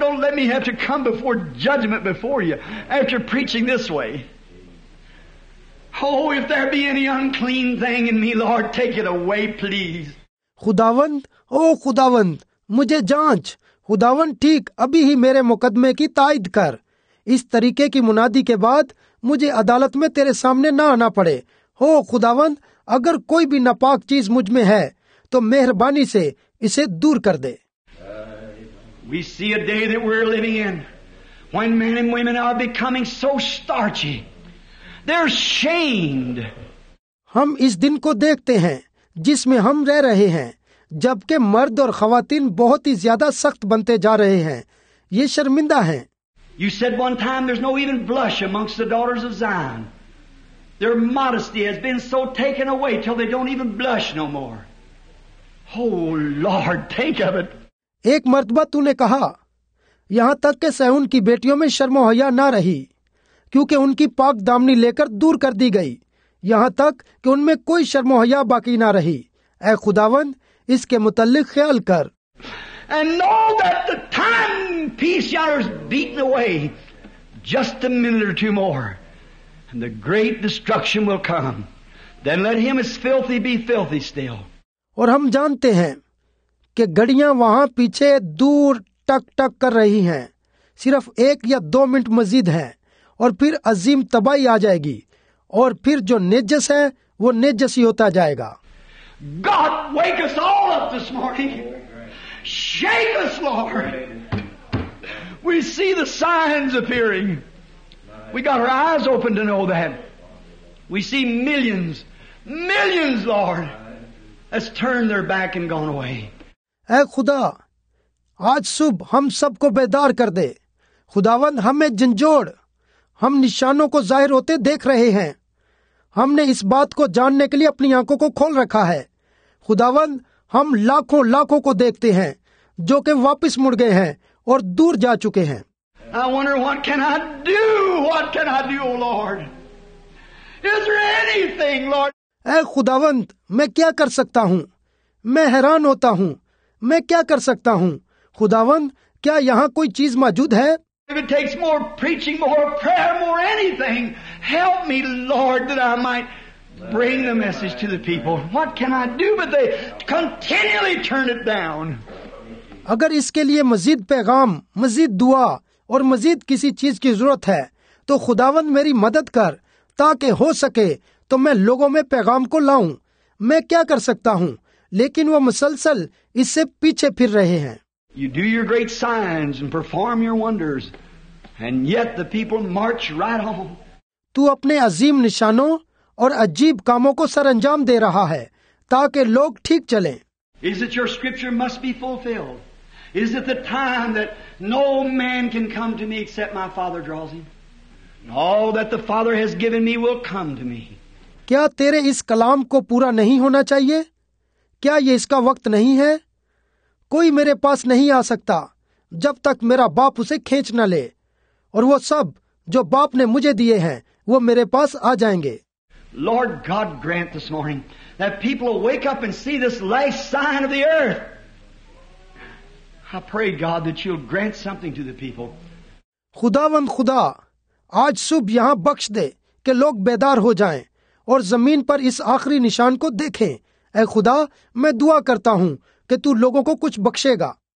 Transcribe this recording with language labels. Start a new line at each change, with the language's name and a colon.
English: Don't let me have to come before judgment before you after preaching this way. Oh, if there be any unclean thing in me, Lord, take it away, please.
Hindi: खुदावंद, ओ खुदावंद, मुझे जांच। खुदावंद ठीक अभी ही मेरे मुकदमे की ताइद कर। इस तरीके की मुनादी के बाद मुझे अदालत में तेरे सामने ना आना पड़े। ओ खुदावंद, अगर कोई भी नापाक चीज मुझ में है तो मेहरबानी से इसे दूर कर दे।
English: We see a day that we're living in when men and women are becoming so starchy. They're shamed.
Hindi: हम इस दिन को देखते हैं जिसमें हम रह रहे हैं जबकि मर्द और ख्वातीन बहुत ही ज्यादा सख्त बनते जा रहे हैं। ये शर्मिंदा हैं।
English: You said one time there's no even blush amongst the daughters of Zion. Their modesty has been so taken away till they don't even blush no more. Oh Lord, take of it.
Hindi: एक मर्तबा तूने कहा यहाँ तक के सहून की बेटियों में शर्म हया ना रही क्योंकि उनकी पाक दामनी लेकर दूर कर दी गई, यहाँ तक कि उनमें कोई शर्म हया बाकी ना रही। ऐ खुदावंद इसके मुतल्लिक ख्याल कर।
English: And know that the time piece is beaten away just a minute or two more and the great destruction will come. Then let him as filthy be filthy still.
Hindi: और हम जानते हैं कि घड़ियां वहां पीछे दूर टक टक कर रही हैं। सिर्फ एक या दो मिनट मजीद हैं और फिर अजीम तबाही आ जाएगी और फिर जो नेजस है वो नेजस ही होता जाएगा।
English: God, wake us all up this morning. Shake us, Lord. We see the signs appearing. We got our eyes open to know that. We see millions, millions, Lord, has turned their back and gone away.
Hindi: ऐ खुदा आज सुबह हम सबको बेदार कर दे। खुदावंद हमें झंझोड़, हम निशानों को जाहिर होते देख रहे हैं। हमने इस बात को जानने के लिए अपनी आंखों को खोल रखा है। खुदावंद हम लाखों लाखों को देखते हैं जो कि वापस मुड़ गए हैं और दूर जा चुके हैं।
English: I wonder what can I do? What can I do, O Lord? Is there anything, Lord?
Hindi: ऐ खुदावंद, मैं क्या कर सकता हूँ? मैं हैरान होता हूँ। मैं क्या कर सकता हूँ? खुदावंद, क्या यहाँ कोई चीज मौजूद है?
English: If it takes more preaching, more prayer, more anything, help me, Lord, that I might bring the message to the people. What can I do? But they continually turn it down.
Hindi: अगर इसके लिए मजीद पैगाम, मजीद दुआ और मजीद किसी चीज की जरूरत है तो खुदावंद मेरी मदद कर, ताकि हो सके तो मैं लोगों में पैगाम को लाऊं। मैं क्या कर सकता हूं? लेकिन वो मुसलसल इससे पीछे फिर रहे हैं।
English: You do your great signs and perform your wonders, and yet the people march right on.
Hindi: तू अपने अजीम निशानों और अजीब कामों को सरंजाम दे रहा है ताकि लोग ठीक चलें।
English: Is it your scripture must be fulfilled? Is it the time that no man can come to me except my Father draws him? All that the Father has given me will come to me.
Hindi: क्या तेरे इस कलाम को पूरा नहीं होना चाहिए? क्या ये इसका वक्त नहीं है? कोई मेरे पास नहीं आ सकता जब तक मेरा बाप उसे खींच न ले, और वो सब जो बाप ने मुझे दिए हैं वो मेरे पास आ जाएंगे।
English: Lord God grant this morning that people will wake up and see this last sign of the earth. I pray God that you'll grant something to the people.
Hindi: खुदावंद खुदा, आज सुबह यहाँ बख्श दे कि लोग बेदार हो जाएं और जमीन पर इस आखिरी निशान को देखें। ऐ खुदा, मैं दुआ करता हूँ कि तू लोगों को कुछ बख्शेगा।